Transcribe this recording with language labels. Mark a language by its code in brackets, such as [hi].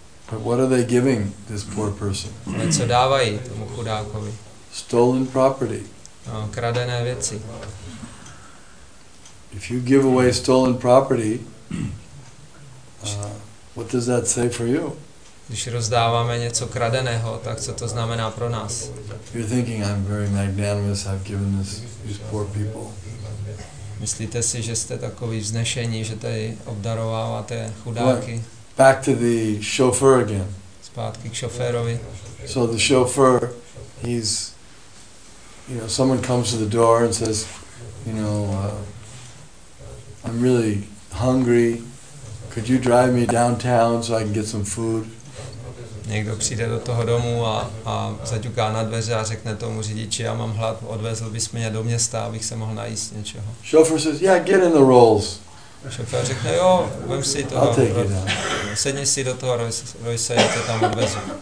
[en] But what are they giving this poor person? [cs] Ale co dávají tomu chudákovi? [en] Stolen property. [cs] No, kradené věci. [en] If you give away stolen property, what does that say for you? [cs] Když rozdáváme něco kradeného, tak co to znamená pro nás? [en] You're thinking I'm very magnanimous. I've given this these poor people. [cs] Myslíte si, že jste takový vznešení, že tady obdarováváte chudáky? [en] Well, back to the chauffeur again. [cs] Zpátky k šoférovi. [en] So the chauffeur, he's, you know, someone comes to the door and says, you know, I'm really hungry. Could you drive me downtown so I can get some food? [cs] Někdo přijde do toho domu a zaťuká na dveře a řekne tomu řidiči, já mám hlad, odvezl bys mě do města, abych se mohl najíst něčeho. [en] Chauffeur says, yeah, get in the Rolls. [cs] Šofér řekne, jo, vem si to. [en] I'll take it out. [cs] Sedni si do toho Rojse, já tě tam odvezu.